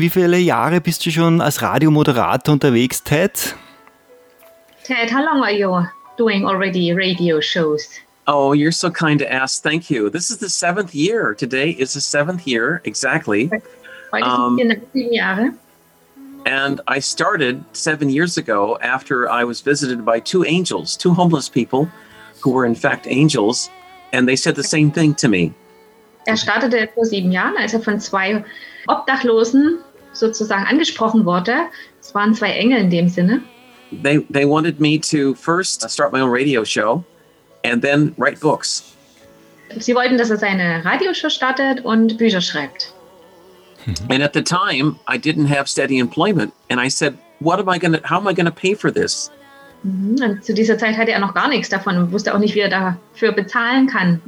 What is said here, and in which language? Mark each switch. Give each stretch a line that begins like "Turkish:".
German: Wie viele Jahre bist du schon als Radiomoderator unterwegs, Ted?
English: Ted, how long are you doing already radio shows? Oh, you're so kind to ask. Thank you. This is the 7th year. Today is the 7th year, exactly.
German: Heute sind wir in 7 Jahre.
English: And I started 7 years ago after I was visited by two angels, two homeless people, who were in fact angels, and they said the same thing to me.
German: Er startete vor 7 Jahren, als er von 2 Obdachlosen sozusagen angesprochen wurde. Es waren 2 Engel in dem Sinne.
English: They wanted me to first start my own radio show and then write books.
German: Sie wollten, dass er seine Radioshow startet und Bücher schreibt.
English: And at the time, I didn't have steady employment, and I said, how am I going to pay for this?
German: Und zu dieser Zeit hatte er noch gar nichts davon und wusste auch nicht, wie er dafür bezahlen kann.